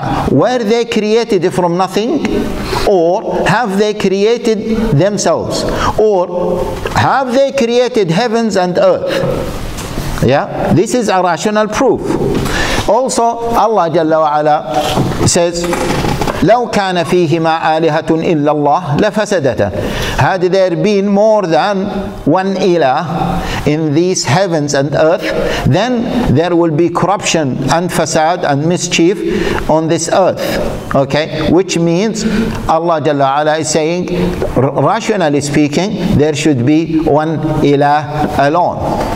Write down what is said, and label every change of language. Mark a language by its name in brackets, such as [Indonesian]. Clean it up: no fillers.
[English] Were they created from nothing, or have they created themselves, or have they created heavens and earth? Yeah, this is a rational proof. Also, Allah جل وعلا says, [Arabic] لو كان فيهما آلهة إلا الله لفسدتا. [English] Had there been more than one ilah in these heavens and earth, then there will be corruption and fasad and mischief on this earth. Okay, which means Allah جل وعلا is saying, rationally speaking, there should be one ilah alone.